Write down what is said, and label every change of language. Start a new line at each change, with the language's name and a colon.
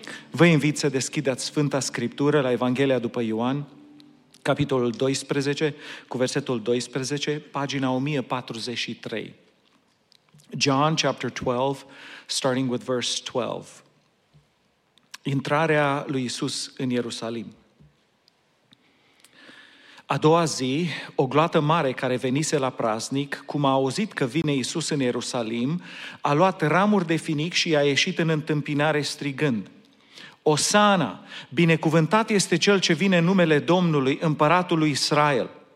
Romanian: Vă invit să deschideți Sfânta Scriptură la Evanghelia după Ioan, capitolul 12, cu versetul 12, pagina 1043.
English: John chapter 12, starting with verse 12.
Romanian: Intrarea lui Iisus în Ierusalim. A doua zi, o gloată mare care venise la praznic, cum a auzit că vine Iisus în Ierusalim, a luat ramuri de finic și a ieșit în întâmpinare strigând: Osana, binecuvântat este cel ce vine în numele Domnului, împăratului Israel.